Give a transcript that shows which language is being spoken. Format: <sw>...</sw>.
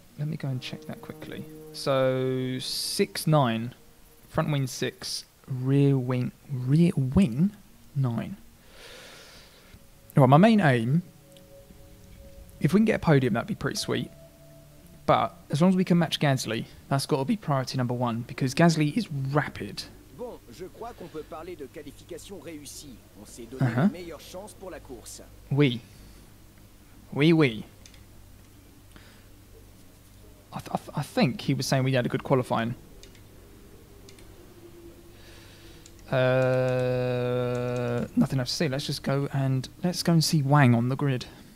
<en>Let me go and check that quickly. So 6.9, front wing 6, rear wing 9. All right, my main aim, if we can get a podium, that'd be pretty sweet. But as long as we can match Gasly, that's got to be priority number one, because Gasly is rapid.</en> <fr>Bon, je crois qu'on peut parler de qualification réussie. On s'est donné la meilleure chance pour la course. Oui.</fr> <en>I think he was saying we had a good qualifying. Nothing else to see. Let's go and see Wang on the grid.</en>